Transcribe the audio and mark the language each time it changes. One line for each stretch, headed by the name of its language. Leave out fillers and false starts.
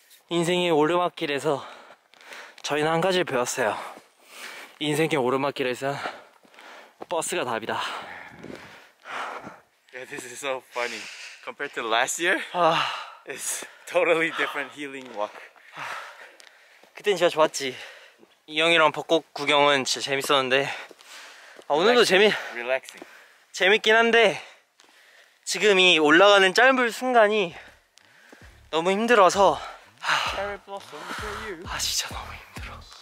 Korean: 인생의 오르막길에서 저희는 한 가지를 배웠어요. 인생의 오르막길에서 버스가 답이다.
English: Yeah, this is so funny. Compared to last year, it's totally different healing walk.
Korean: 그땐 진짜 좋았지. 이 형이랑 벚꽃 구경은 진짜 재밌었는데 아, 오늘도
English: relaxing.
Korean: 재밌긴 한데 지금 이 올라가는 짧은 순간이 너무 힘들어서 아 진짜 너무 힘들어.